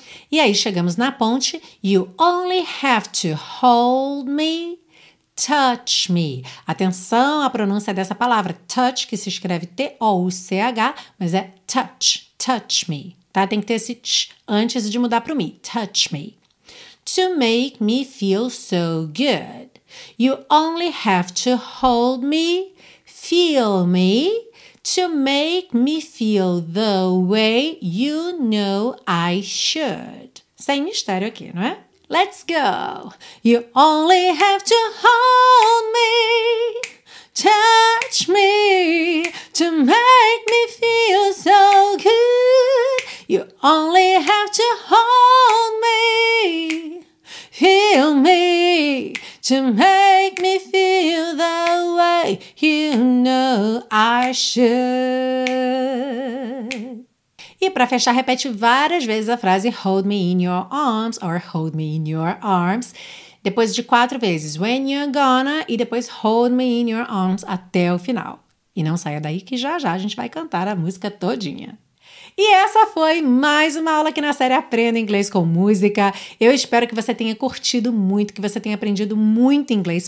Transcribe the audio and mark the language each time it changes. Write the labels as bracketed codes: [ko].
[pt] E aí chegamos na ponte. [en] You only have to hold me, touch me. [pt] Atenção à pronúncia dessa palavra. Touch, que se escreve T-O-U-C-H, mas é touch. Touch me, tá? Tem que ter esse tch antes de mudar para o me. [en] Touch me. To make me feel so good, you only have to hold me, feel me, to make me feel the way you know I should. [pt] Sem mistério aqui, não é? [en] Let's go. You only have to hold me, touch me, to make me feel so good. You only have to hold me, feel me, to make me feel the way you know I should. [pt] E pra fechar, repete várias vezes a frase [en] hold me in your arms or hold me in your arms. [pt] Depois de 4 vezes, [en] when you're gonna, [pt] e depois [en] hold me in your arms [pt] até o final. E não saia daí que já já a gente vai cantar a música todinha. E essa foi mais uma aula aqui na série Aprenda Inglês com Música. Eu espero que você tenha curtido muito, que você tenha aprendido muito inglês.